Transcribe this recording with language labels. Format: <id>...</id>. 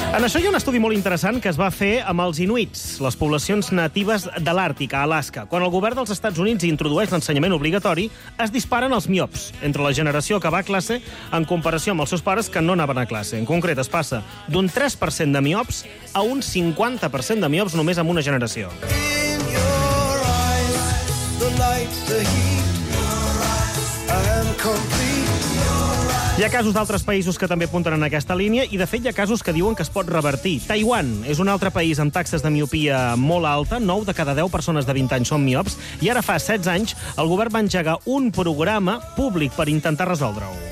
<ca>En això hi ha un estudi molt interessant que es va fer amb els inuits, les poblacions natives de l'Àrtic, a Alaska. Quan el govern dels Estats Units introdueix l'ensenyament obligatori, es disparen els miops entre la generació que va a classe en comparació amb els seus pares que no anaven a classe. En concret, es passa d'un 3% de miops a un 50% de miops només en una generació.</ca> <en>In your eyes, the light, the heat, I am complete.</en> <ca>Hi ha casos d'altres països que també apunten en aquesta línia i, de fet, hi ha casos que diuen que es pot revertir. Taiwan és un altre país amb taxes de miopia molt alta. 9 de cada 10 persones de 20 anys són miops. I ara fa 16 anys el govern va engegar un programa públic per intentar resoldre-ho.</ca>